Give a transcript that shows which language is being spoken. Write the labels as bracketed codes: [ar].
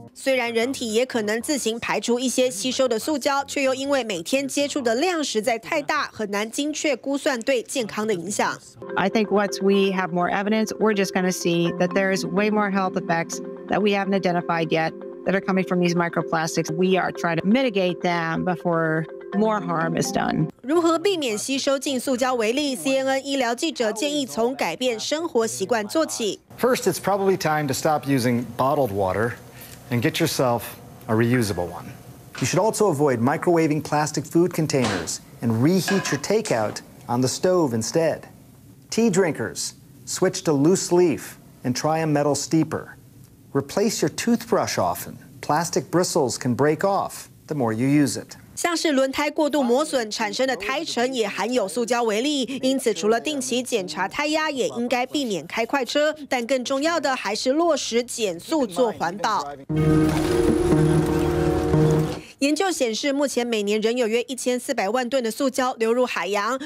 [zh] 虽然人体也可能自行排除一些吸收的塑胶，却又因为每天接触的量实在太大，很难精确估算对健康的影响。 [en] I think once we have more evidence, we're just going to see that there is way more health effects that we haven't identified yet that are coming from these microplastics. We are trying to mitigate them before. More harm is done. [zh] 如何避免吸收进塑胶微粒 ？CNN 医疗记者建议从改变生活习惯做起。 [en] First, it's probably time to stop using bottled water and get yourself a reusable one. You should also avoid microwaving plastic food containers and reheat your takeout on the stove instead. Tea drinkers, switch to loose leaf and try a metal steeper. Replace your toothbrush often. Plastic bristles can break off the more you use it. [zh] 像是轮胎过度磨损产生的胎尘也含有塑胶微粒，因此除了定期检查胎压，也应该避免开快车。但更重要的还是落实减速做环保。研究显示，目前每年仍有约1400万吨的塑胶流入海洋。